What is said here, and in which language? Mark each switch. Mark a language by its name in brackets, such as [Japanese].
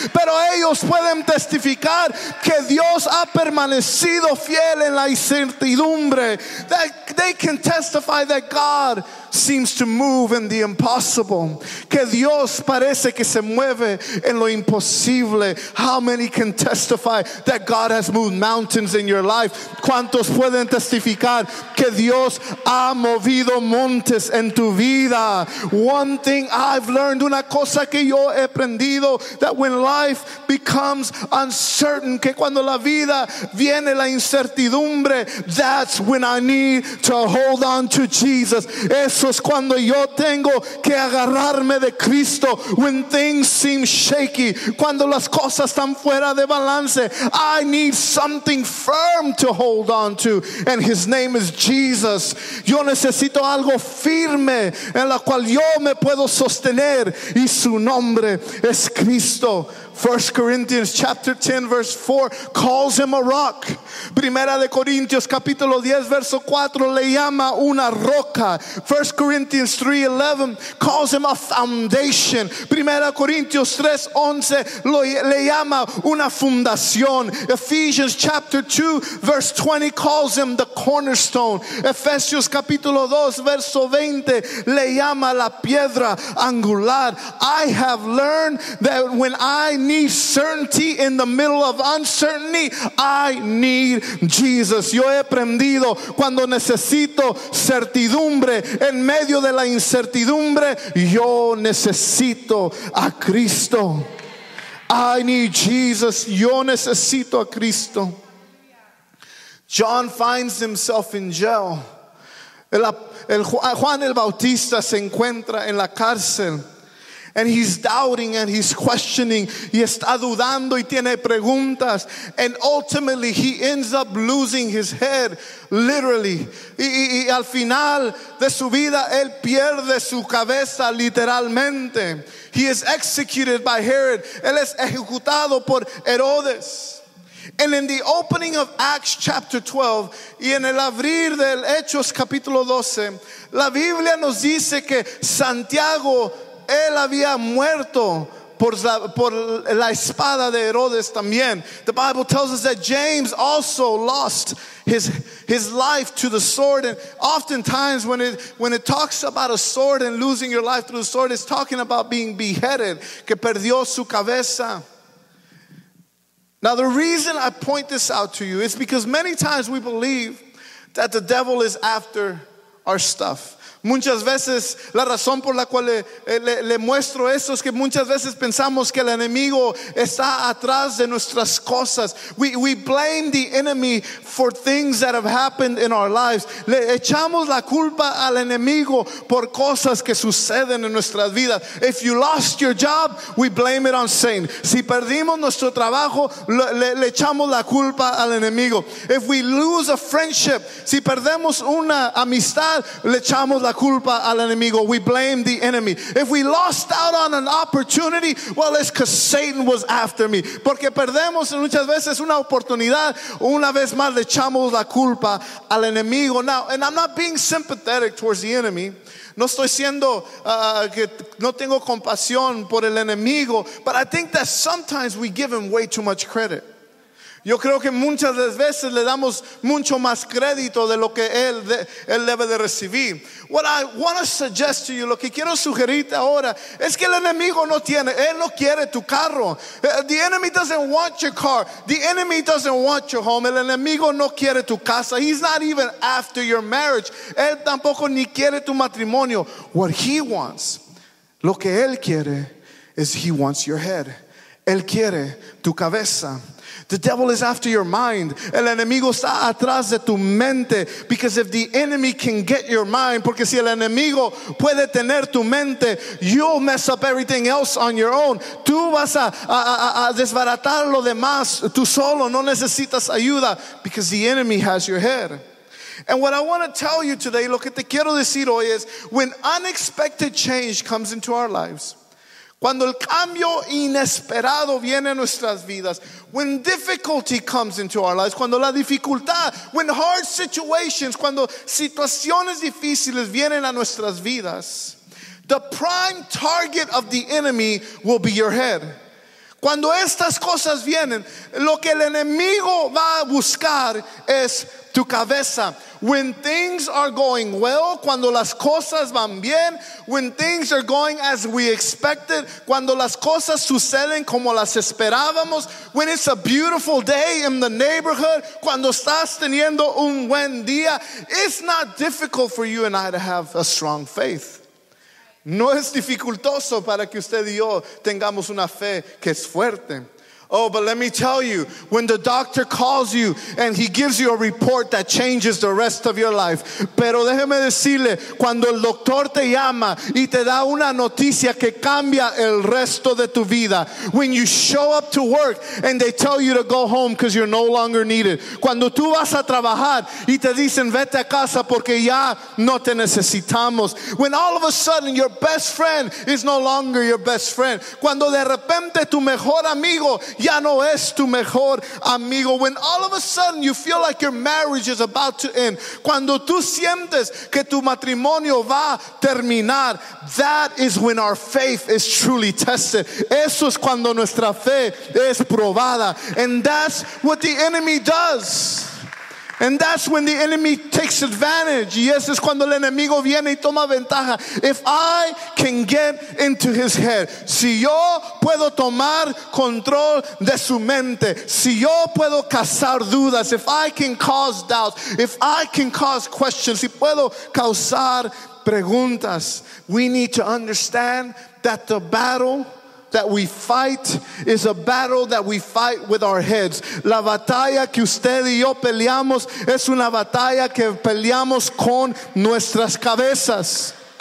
[Spanish] Pero ellos pueden testificar que Dios ha permanecido fiel en la incertidumbre. [English] That they can testify that God seems to move in the impossible. [Spanish] Que Dios parece que se mueve en lo imposible. [English] How many can testify that God has moved mountains in your life? [Spanish] ¿Cuántos pueden testificar que Dios ha movido montes en tu vida? [English] One thing I've learned, [Spanish] una cosa que yo he aprendido, [English] that when life becomes uncertain, [Spanish] que cuando la vida viene la incertidumbre, [English] that's when I need to hold on to Jesus. [Spanish] Eso es cuando yo tengo que agarrarme de Cristo. [English] When things seem shaky, [Spanish] cuando las cosas están fuera de balance, [English] I need something firm to hold on to, and his name is Jesus. [Spanish] Yo necesito algo firme en la cual yo me puedo sostener, y su nombre es Cristo. [English] 1 Corinthians chapter 10 verse 4 calls him a rock. [Spanish] Primera de Corintios capítulo 10 verso 4 le llama una roca. [English] 1 Corinthians 3:11 calls him a foundation. [Spanish] Primera Corintios 3:11 le llama una fundación. [English] Ephesians chapter 2 verse 20 calls him the cornerstone. [Spanish] Efesios capítulo 2 verso 20 le llama la piedra angular. [English] I have learned that when I need certainty in the middle of uncertainty, I need Jesus. [Spanish] Yo he aprendido cuando necesito certidumbre en medio de la incertidumbre, yo necesito a Cristo. [English] I need Jesus. [Spanish] Yo necesito a Cristo. [English] John finds himself in jail. [Spanish] Juan el Bautista se encuentra en la cárcel. [English] And he's doubting and he's questioning. [Spanish] Y está dudando y tiene preguntas. [English] And ultimately he ends up losing his head, literally. [Spanish] Y al final de su vida, él pierde su cabeza, literalmente. [English] He is executed by Herod. [Spanish] Él es ejecutado por Herodes. [English] And in the opening of Acts chapter 12, [Spanish] y en el abrir del Hechos capítulo 12, la Biblia nos dice que Santiago, él había muerto por la espada de Herodes también. [English] The Bible tells us that James also lost his life to the sword. And oftentimes when it talks about a sword and losing your life through the sword, it's talking about being beheaded. [Spanish] Que perdió su cabeza. [English] Now the reason I point this out to you is because many times we believe that the devil is after our stuff. [Spanish] Muchas veces la razón por la cual le muestro esto es que muchas veces pensamos que el enemigo está atrás de nuestras cosas. [English] We blame the enemy for things that have happened in our lives. [Spanish] Le echamos la culpa al enemigo por cosas que suceden en nuestras vidas. [English] If you lost your job, we blame it on Satan. [Spanish] Si perdimos nuestro trabajo, le echamos la culpa al enemigo. [English] If we lose a friendship, [Spanish] si perdemos una amistad, le echamos la culpa al enemigo. [English] We blame the enemy. If we lost out on an opportunity, well, it's because Satan was after me. [Spanish] Porque perdemos muchas veces una oportunidad, una vez más le echamos la culpa al enemigo. [English] Now, and I'm not being sympathetic towards the enemy. [Spanish] No estoy siendo que no tengo compasión por el enemigo, [English] but I think that sometimes we give him way too much credit. [Spanish] Yo creo que muchas de las veces le damos mucho más crédito de lo que él debe de recibir. [English] What I want to suggest to you, [Spanish] lo que quiero sugerirte ahora, es que el enemigo no tiene, él no quiere tu carro. [English] The enemy doesn't want your car. The enemy doesn't want your home. [Spanish] El enemigo no quiere tu casa. [English] He's not even after your marriage. [Spanish] Él tampoco ni quiere tu matrimonio. [English] What he wants, [Spanish] lo que él quiere, [English] is he wants your head. [Spanish] Él quiere tu cabeza. [English] The devil is after your mind. [Spanish] El enemigo está atrás de tu mente. [English] Because if the enemy can get your mind, [Spanish] porque si el enemigo puede tener tu mente, [English] you'll mess up everything else on your own. [Spanish] Tú vas a desbaratar lo demás. Tú solo no necesitas ayuda. [English] Because the enemy has your head. And what I want to tell you today, [Spanish] lo que te quiero decir hoy es, [English] when unexpected change comes into our lives, [Spanish] cuando el cambio inesperado viene a nuestras vidas, [English] when difficulty comes into our lives, [Spanish] cuando la dificultad, [English] when hard situations, [Spanish] cuando situaciones difíciles vienen a nuestras vidas, [English] the prime target of the enemy will be your head. [Spanish] Cuando estas cosas vienen, lo que el enemigo va a buscar es tu cabeza. [English] When things are going well, [Spanish] cuando las cosas van bien, [English] when things are going as we expected, [Spanish] cuando las cosas suceden como las esperábamos, [English] when it's a beautiful day in the neighborhood, [Spanish] cuando estás teniendo un buen día, [English] it's not difficult for you and I to have a strong faith. [Spanish] No es dificultoso para que usted y yo tengamos una fe que es fuerte. [English] Oh, but let me tell you, when the doctor calls you and he gives you a report that changes the rest of your life. [Spanish] Pero déjeme decirle, cuando el doctor te llama y te da una noticia que cambia el resto de tu vida. [English] When you show up to work and they tell you to go home because you're no longer needed. [Spanish] Cuando tú vas a trabajar y te dicen vete a casa porque ya no te necesitamos. [English] When all of a sudden your best friend is no longer your best friend. [Spanish] Cuando de repente tu mejor amigo ya no es tu mejor amigo. [English] When all of a sudden you feel like your marriage is about to end. [Spanish] Cuando tú sientes que tu matrimonio va a terminar. [English] That is when our faith is truly tested. [Spanish] Eso es cuando nuestra fe es probada. [English] And that's what the enemy does. And that's when the enemy takes advantage. [Spanish] Y eso es cuando el enemigo viene y toma ventaja. [English] If I can get into his head, [Spanish] si yo puedo tomar control de su mente, si yo puedo causar dudas, [English] if I can cause doubts, if I can cause questions, [Spanish] si puedo causar preguntas, [English] we need to understand that the battle that we fight is a battle that we fight with our heads. [Spanish] La batalla que usted y yo peleamos es una batalla que peleamos con nuestras cabezas.